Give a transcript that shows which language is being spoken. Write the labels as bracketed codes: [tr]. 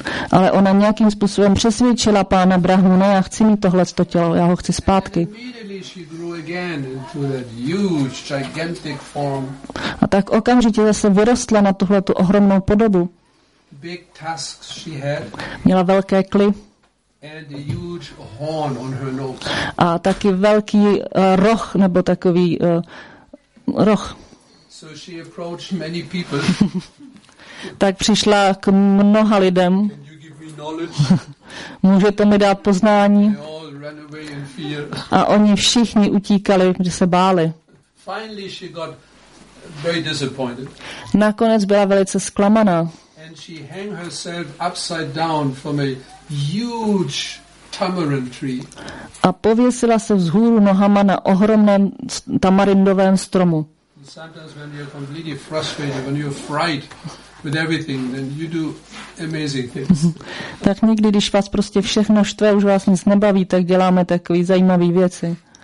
[cs] Ale ona nějakým způsobem přesvědčila pána Brahmu, ne, já chci mít tohle to tělo, já ho chci zpátky. [en] And immediately she grew again into that huge, gigantic form. [cs] A tak okamžitě zase vyrostla na tuhle tu ohromnou podobu. [en] Big tusks she had. [cs] Měla velké kly. [en] And a huge horn on her nose. [cs] A taky velký roh, nebo takový roh. [en] So she approached many people. [cs] Tak přišla k mnoha lidem. [en] Can you give me knowledge? [cs] Můžete mi dát poznání? [en] They all ran away in fear. [cs] A oni všichni utíkali, že se báli. [en] Finally she got very disappointed. [cs] Nakonec byla velice zklamaná. [en] And she hung herself upside down from a huge tamarind tree. [cs] A pověsila se vzhůru nohama na ohromném tamarindovém stromu. [en] Sometimes when you're completely frustrated, when you're frightened with everything, then you do amazing things. [cs] Tak někdy, když vás prostě všechno štve, už vás nic nebaví, tak děláme takové zajímavé věci.